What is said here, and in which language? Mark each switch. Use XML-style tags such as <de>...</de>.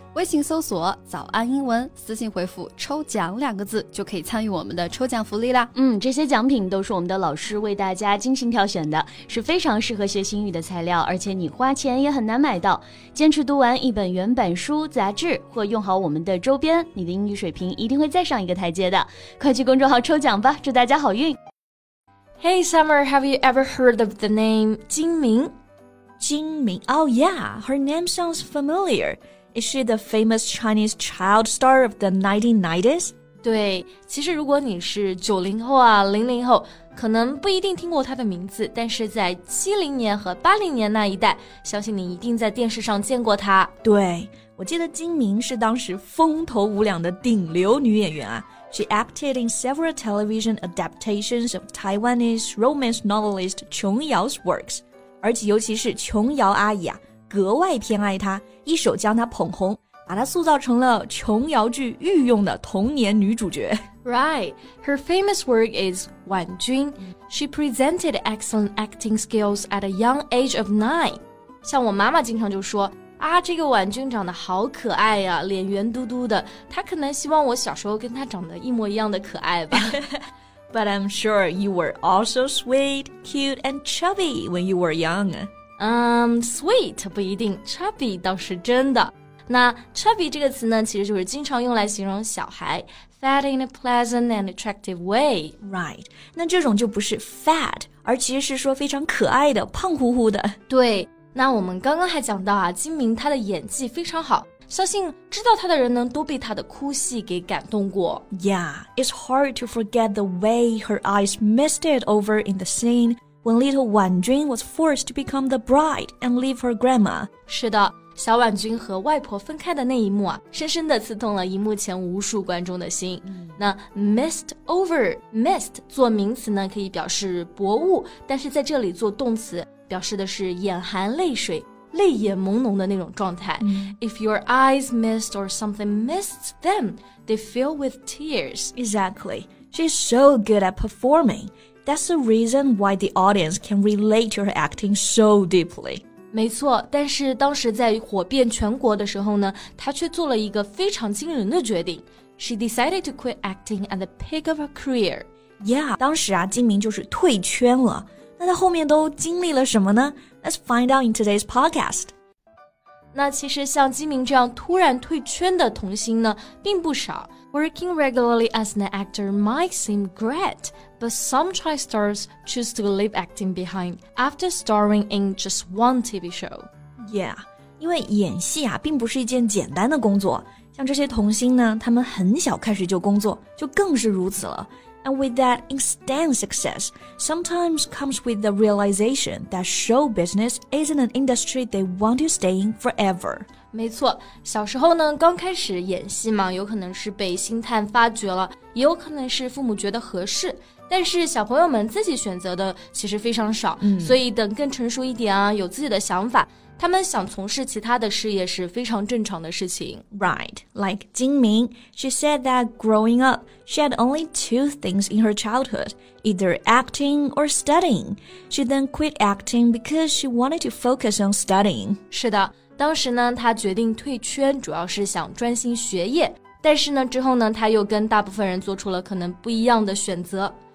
<zh>微信搜索早安英文，私信回复抽奖两个字，就可以参与我们的抽奖福利啦。嗯，这些奖品都是我们的老师为大家精心挑选的，是非常适合学习英语的材料，而且你花钱也很难买到。坚持读完一本原版书、杂志或用好我们的周边，你的英语水平一定会再上一个台阶的。快去公众号抽奖吧，祝大家好运。</zh> <en>Hey Summer, have you ever heard of the name 金明？</en> <zh>金明？</zh> <en>Oh yeah, her name sounds familiar. Is she the famous Chinese child star of the 1990s?</en> <zh>对，其实如果你是90后啊，00后，可能不一定听过她的名字，但是在70年和80年那一代，相信你一定在电视上见过她。对，我记得金明是当时风头无两的顶流女演员啊。</zh> <en>She acted in several television adaptations of Taiwanese romance novelist 琼瑶's works.</en> <zh>而且尤其是琼瑶阿姨啊，格外偏爱她，一手将她捧红，把她塑造成了琼瑶剧御用的童年女主角。</zh> <en>Right, her famous work is 婉君. She presented excellent acting skills at a young age of 9.</en> <zh>像我妈妈经常就说，啊，这个婉君长得好可爱呀，脸圆嘟嘟的，她可能希望我小时候跟她长得一模一样的可爱吧。</zh> <en>But I'm sure you were also sweet, cute and chubby when you were young.</en> <zh>Sweet 不一定 ,chubby 倒是真的。那 chubby 这个词呢，其实就是经常用来形容小孩 , fat in a pleasant and attractive way. Right, 那这种就不是 fat, 而其实是说非常可爱的胖乎乎的。对，那我们刚刚还讲到啊，金明他的演技非常好，相信知道他的人呢都被他的哭戏给感动过。</zh> <en>Yeah, it's hard to forget the way her eyes misted over in the scene,When little Wan Jun was forced to become the bride and leave her grandma.</en> <zh>是的，小婉君和外婆分开的那一幕啊，深深地刺痛了荧幕前无数观众的心。那 mist over, mist 做名词呢，可以表示薄雾，但是在这里做动词，表示的是眼含泪水，泪眼朦胧的那种状态。</zh> <en>If your eyes mist or something mists them, they fill with tears. Exactly. She's so good at performing. That's the reason why the audience can relate to her acting so deeply.</en> <zh>没错，但是当时在火遍全国的时候呢，她却做了一个非常惊人的决定。</zh> <en>She decided to quit acting at the peak of her career.</en> <zh>Yeah, 当时啊，金明就是退圈了。那她后面都经历了什么呢？</zh> <en>Let's find out in today's podcast.</en> <zh>那其实像金明这样突然退圈的童星呢，并不少。</zh> <en>Working regularly as an actor might seem great,But some child stars choose to leave acting behind after starring in just one TV show.</en> <zh>Yeah, 因为演戏啊并不是一件简单的工作。像这些童星呢，他们很小开始就工作，就更是如此了。</zh> <en>And with that instant success, sometimes comes with the realization that show business isn't an industry they want to stay in forever.</en> <zh>没错，小时候呢，刚开始演戏嘛，有可能是被星探发掘了，也有可能是父母觉得合适。但是小朋友们自己选择的其实非常少，所以等更成熟一点啊，有自己的想法，他们想从事其他的事业是非常正常的事情。</zh> <en>Right, like 金明, she said that growing up, she had only two things in her childhood, either acting or studying. She then quit acting because she wanted to focus on studying.</en> <zh>是的，当时呢，她决定退圈，主要是想专心学业。但是呢，之后呢，她又跟大部分人做出了可能不一样的选择。</zh>